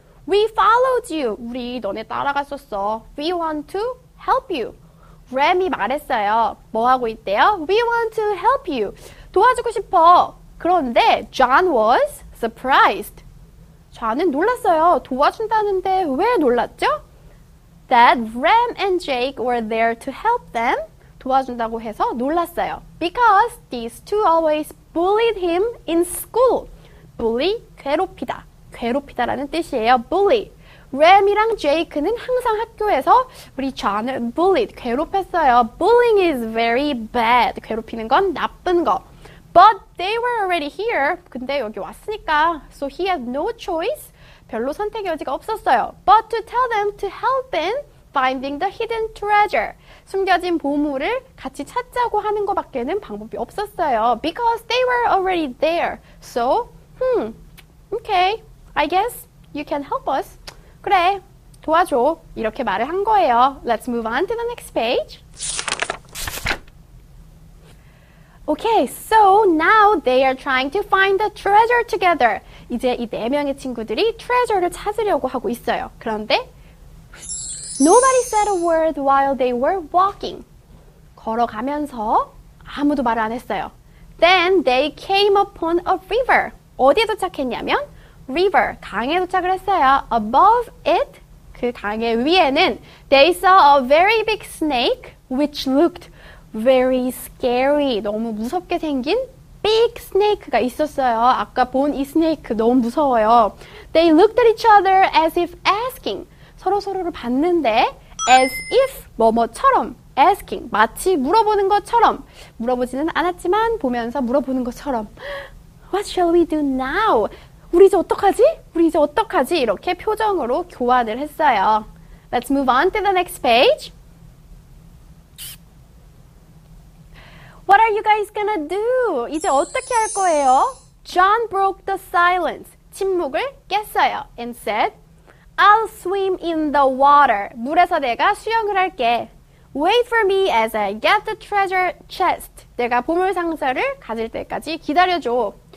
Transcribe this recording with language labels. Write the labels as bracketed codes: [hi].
[en] We followed you. [ko] 우리 너네 따라갔었어. [en] We want to help you. [ko] 램이 말했어요. 뭐 하고 있대요? [en] We want to help you. [ko] 도와주고 싶어. 그런데 [en] John was surprised. [ko] 존은 놀랐어요. 도와준다는데 왜 놀랐죠? [en] That Ram and Jake were there to help them. [ko] 도와준다고 해서 놀랐어요. [en] Because these two always bullied him in school. [ko] Bully, 괴롭히다. 괴롭히다라는 뜻이에요. Bully. 램이랑 제이크는 항상 학교에서 우리 존을 bullied, 괴롭혔어요. [en] Bullying is very bad. [ko] 괴롭히는 건 나쁜 거. [en] But they were already here. [ko] 근데 여기 왔으니까. [en] So he had no choice. [ko] 별로 선택 여지가 없었어요. [en] But to tell them to help in finding the hidden treasure. [ko] 숨겨진 보물을 같이 찾자고 하는 것밖에는 방법이 없었어요. [en] Because they were already there. So, okay. I guess you can help us. [ko] 그래, 도와줘. 이렇게 말을 한 거예요. [en] Let's move on to the next page. Okay, so now they are trying to find the treasure together. [ko] 이제 이네 명의 친구들이 treasure를 찾으려고 하고 있어요. 그런데 [en] Nobody said a word while they were walking. [ko] 걸어가면서 아무도 말을 안 했어요. [en] Then they came upon a river. [ko] 어디에 도착했냐면 [en] river, [ko] 강에 도착을 했어요. [en] Above it, [ko] 그 강의 위에는 [en] they saw a very big snake which looked very scary. [ko] 너무 무섭게 생긴 big snake가 있었어요. 아까 본 이 snake 너무 무서워요. [en] They looked at each other as if asking. [ko] 서로서로를 봤는데 as if 뭐뭐처럼 asking, 마치 물어보는 것처럼 물어보지는 않았지만 보면서 물어보는 것처럼 [en] What shall we do now? [ko] 우리 이제 어떡하지? 우리 이제 어떡하지? 이렇게 표정으로 교환을 했어요. [en] Let's move on to the next page. What are you guys gonna do? [ko] 이제 어떻게 할 거예요? [en] John broke the silence. [ko] 침묵을 깼어요. [en] And said, I'll swim in the water. [ko] 물에서 내가 수영을 할게. [en] Wait for me as I get the treasure chest. [ko] 내가 보물상자를 가질 때까지 기다려줘.